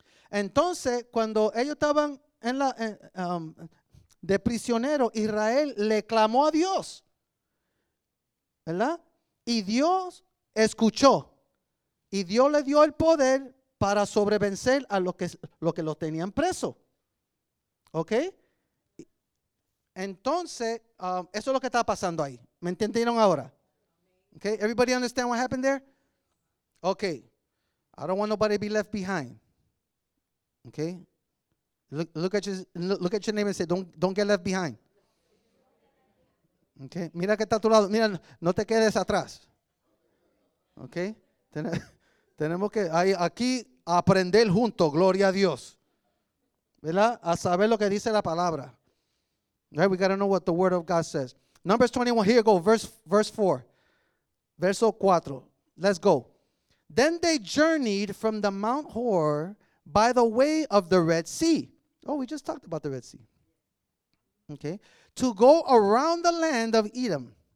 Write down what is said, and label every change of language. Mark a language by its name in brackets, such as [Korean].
[Spanish] Entonces, cuando ellos estaban en la de prisionero, Israel le clamó a Dios, ¿verdad? Y Dios escuchó. Y Dios le dio el poder para sobrevencer a lo que los tenían preso. ¿Ok? Entonces, eso es lo que está pasando ahí. ¿Me entendieron ahora? ¿Ok? [English] Everybody understand what happened there? Ok. I don't want nobody to be left behind. Okay? Look at your neighbor and say, don't get left behind. [Spanish] Okay? Mira que está a tu lado. Mira, no te quedes atrás. Okay? Tenemos que aquí aprender juntos, gloria a Dios. ¿Verdad? A saber lo que dice la palabra. [English] Right? We got to know what the word of God says. Numbers 21, here you go, verse 4. [Spanish] Verso 4. [English] Let's go. Then they journeyed from the Mount Hor by the way of the Red Sea. Oh, we just talked about the Red Sea. Okay. To go around the land of Edom.